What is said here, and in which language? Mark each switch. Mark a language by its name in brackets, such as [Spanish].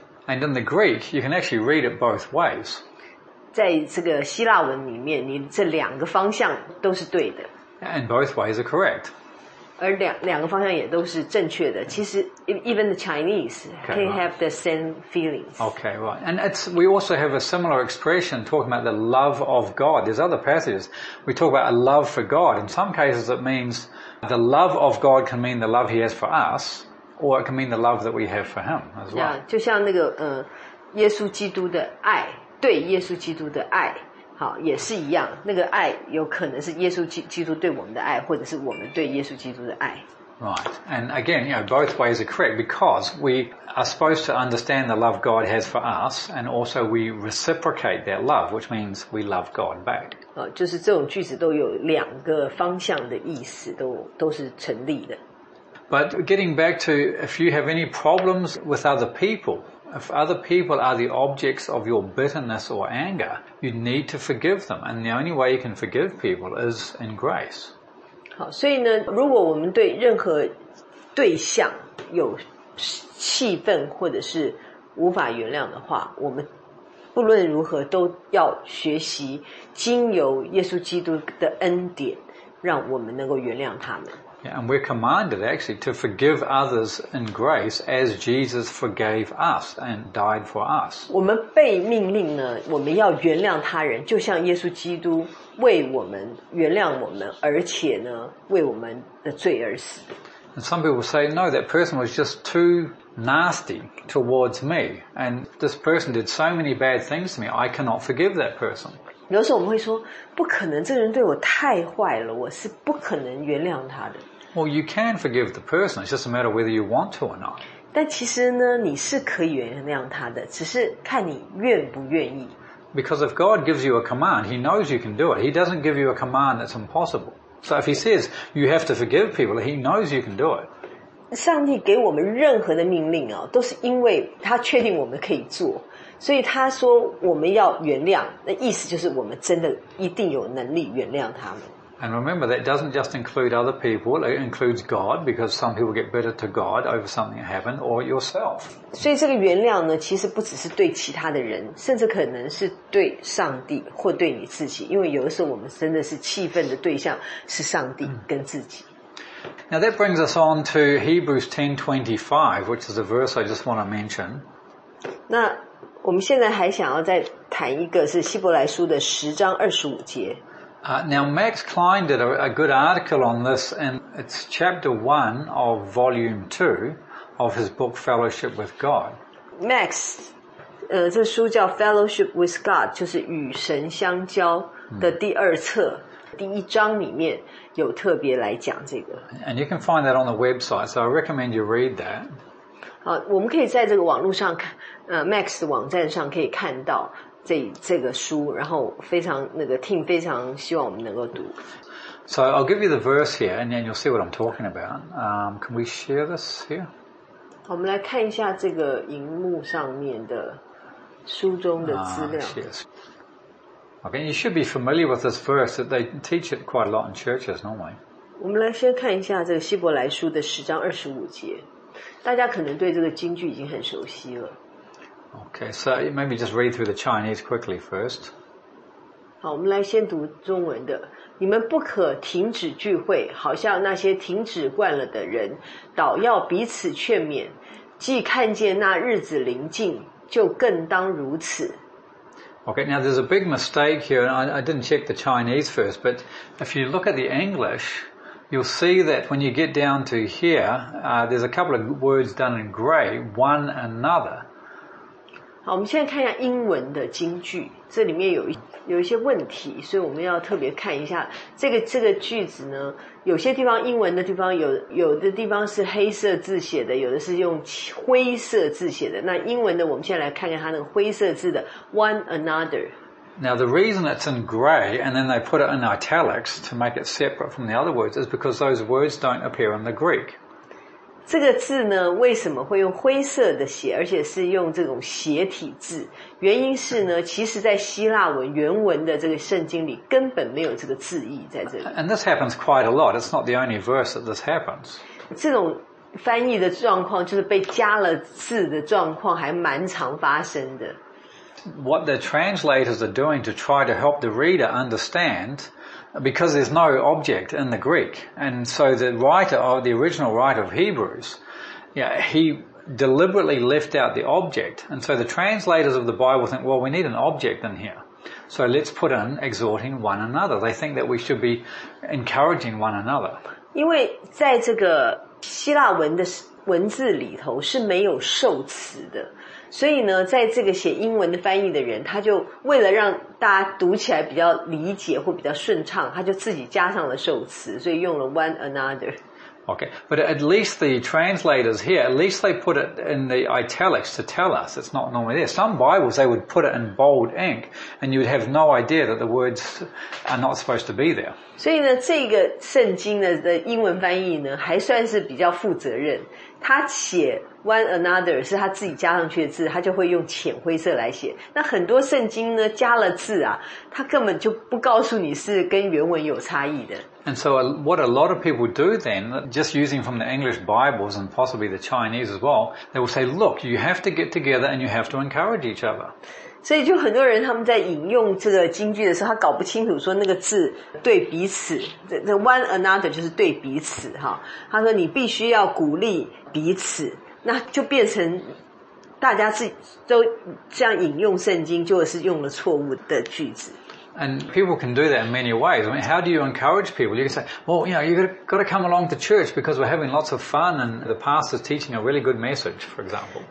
[English] And in the Greek, you can actually read it both ways. [Chinese] 在这个希腊文里面，你这两个方向都是对的。 [English] And both ways are correct. [Chinese] 而两个方向也都是正确的。 [English] 其实 even the Chinese can have the same feelings. Okay, right. And we also have a similar expression talking about the love of God. There's other passages. We talk about a love for God. In some cases it means... The love of God can mean the love he has for us, or it can mean the love that we have for him as well. [Chinese] Yeah, 就像那个耶稣基督的爱，对耶稣基督的爱，好，也是一样，那个爱有可能是耶稣基督对我们的爱，或者是我们对耶稣基督的爱。 [English] Right, and again, you know, both ways are correct because we are supposed to understand the love God has for us, and also we reciprocate that love, which means we love God back. [Chinese] 就是这种句子都有两个方向的意思，都是成立的。 [English] But getting back to, if you have any problems with other people, if other people are the objects of your bitterness or anger, you need to forgive them, and the only way you can forgive people is in grace. [Chinese] 好，所以呢，如果我们对任何对象有气愤或者是无法原谅的话，我们不论如何都要学习经由耶稣基督的恩典，让我们能够原谅他们。 [English] Yeah, and we're commanded actually to forgive others in grace as Jesus forgave us and died for us. [Chinese] 我们被命令呢，我们要原谅他人，就像耶稣基督为我们原谅我们，而且呢，为我们的罪而死。 [English] And some people say, no, that person was just too nasty towards me. And this person did so many bad things to me, I cannot forgive that person. [Chinese] 有时候我们会说，不可能，这个人对我太坏了，我是不可能原谅他的。 [English] Well, you can forgive the person. It's just a matter of whether you want to or not. [Chinese] 但其实呢，你是可以原谅他的，只是看你愿不愿意。 [English] Because if God gives you a command, He knows you can do it. He doesn't give you a command that's impossible. So if He says you have to forgive people, He knows you can do it. [Chinese] 上帝给我们任何的命令啊，都是因为他确定我们可以做。所以他说我们要原谅，那意思就是我们真的一定有能力原谅他们。 [English] And remember that doesn't just include other people, it includes God, because some people get bitter to God over something that happened, or yourself. [Chinese] 所以这个原谅呢，其实不只是对其他的人，甚至可能是对上帝或对你自己，因为有的时候我们真的是气愤的对象是上帝跟自己。 [English] Now that brings us on to Hebrews 10:25, which is a verse I just want to mention. [Chinese] 那我们现在还想要再谈一个是希伯来书的十章二十五节。 [English] Now Max Klein did a good article on this, and it's chapter 1 of volume 2 of his book Fellowship with God. [Chinese] Max, 这书叫 Fellowship with God, 就是与神相交的第二册。第一章里面有特别来讲这个。 [English] And you can find that on the website, so I recommend you read that. [Chinese] 我们可以在这个网络上看Max 的网站上可以看到这个书，然后非常那个 Tim 非常希望我们能够读。 [English] So I'll give you the verse here and then you'll see what I'm talking about. Can we share this here? [Chinese] 我们来看一下这个荧幕上面的书中的资料。 [English] Okay, you should be familiar with this verse that they teach it quite a lot in churches, normally. [Chinese] 我们来先看一下这个希伯来书的十章二十五节，大家可能对这个经句已经很熟悉了。 [English] Okay, so maybe just read through the Chinese quickly first. [Chinese] 好，我们来先读中文的。你们不可停止聚会，好像那些停止惯了的人，倒要彼此劝勉，既看见那日子临近，就更当如此。 [English] Okay, now there's a big mistake here, and I didn't check the Chinese first, but if you look at the English, you'll see that when you get down to here, there's a couple of words done in grey, one another. [Chinese] 好，我们现在看一下英文的金句，这里面有一些问题，所以我们要特别看一下这个句子呢，有些地方英文的地方有的地方是黑色字写的，有的是用灰色字写的。那英文的我们现在来看看它那个灰色字的 one another。 [English] Now the reason it's in grey and then they put it in italics to make it separate from the other words is because those words don't appear in the Greek. [Chinese] 这个字呢为什么会用灰色的写，而且是用这种斜体字，原因是呢其实在希腊文原文的这个圣经里根本没有这个字义在这里。 [English] And this happens quite a lot, it's not the only verse that this happens. [Chinese] 这种翻译的状况就是被加了字的状况还蛮常发生的。 [English] What the translators are doing to try to help the reader understand, because there's no object in the Greek, and so the writer, or the original writer of Hebrews, yeah, he deliberately left out the object, and so the translators of the Bible think, well, we need an object in here, so let's put in exhorting one another. They think that we should be encouraging one another. [Chinese] 因为在这个希腊文的文字里头是没有受词的，所以呢在这个写英文的翻译的人，他就为了让大家读起来比较理解或比较顺畅，他就自己加上了受词，所以用了 one another. [English] Okay, but at least the translators here, at least they put it in the italics to tell us it's not normally there. Some Bibles they would put it in bold ink and you'd have no idea that the words are not supposed to be there. [Chinese] 所以呢这个圣经的英文翻译呢还算是比较负责任，他写 one another 是他自己加上去的字，他就会用浅灰色来写。那很多圣经呢加了字啊，他根本就不告诉你是跟原文有差异的。 [English] And so what a lot of people do then, just using from the English Bibles and possibly the Chinese as well, they will say, look, you have to get together and you have to encourage each other. [Chinese] 所以就很多人他们在引用这个经句的时候，他搞不清楚说那个字对彼此 the one another 就是对彼此哈。他说你必须要鼓励彼此，那就变成大家自己都这样引用圣经，就是用了错误的句子。 [English] And people can do that in many ways. I mean, how do you encourage people? You can say, well, you know, you've got to come along to church because we're having lots of fun and the pastor's teaching a really good message, for example.